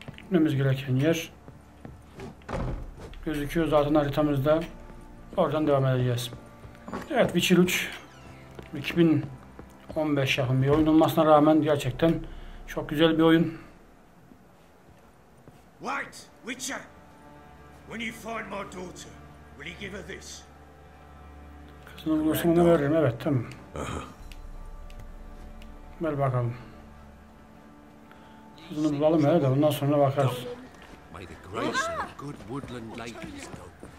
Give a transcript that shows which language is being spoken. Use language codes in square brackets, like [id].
[tr] Önümüz gereken yer gözüküyor zaten haritamızda. Oradan devam edeceğiz. Evet, Witcher 3 2015 yapım bir oyun olmasına rağmen gerçekten çok güzel bir oyun. [en] Wait, Witcher. When you find my daughter, will you give her this? [tr] Kızını bulursam onu veririm. Evet, tamam. Ver bakalım. Kızını bulalım hele de ondan sonra bakarız. [en] May the grace of good woodland ladies go.